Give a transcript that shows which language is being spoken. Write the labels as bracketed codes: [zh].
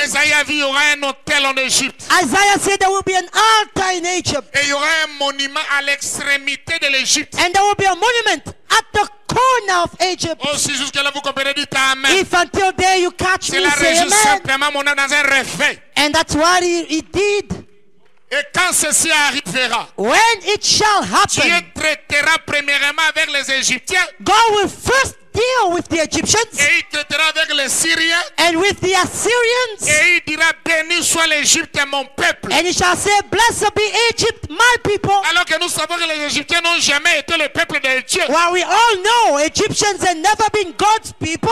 [fr] Isaiah dit il y aura un autel en Égypte. [en] Isaiah said there will be an altar in Egypt. [fr] Et il y aura un monument à l'extrémité de l'Égypte. [en] And there will be a monument at the corner of Egypt. [fr] Oh, si jusqu'à là vous comprenez, dites amen. [en] If until there you catch [fr] c'est [en] me, [fr] la [en] say amen. [fr] Simplement mon âme dans un réveil. [en] And that's what he did. [fr] Et quand ceci arrivera, [en] when it shall happen, [fr] Dieu traitera premièrement avec les Égyptiens. [en] God will first deal with the Egyptians. [fr] Et il traitera avec les Syriens. [en] And with the Assyrians. [fr] Et il dira, béni soit l'Égypte, mon peuple. [en] And he shall say, blessed be Egypt, my people. [fr] Alors que nous savons que les Égyptiens n'ont jamais été le peuple de Dieu. [en] While we all know Egyptians have never been God's people.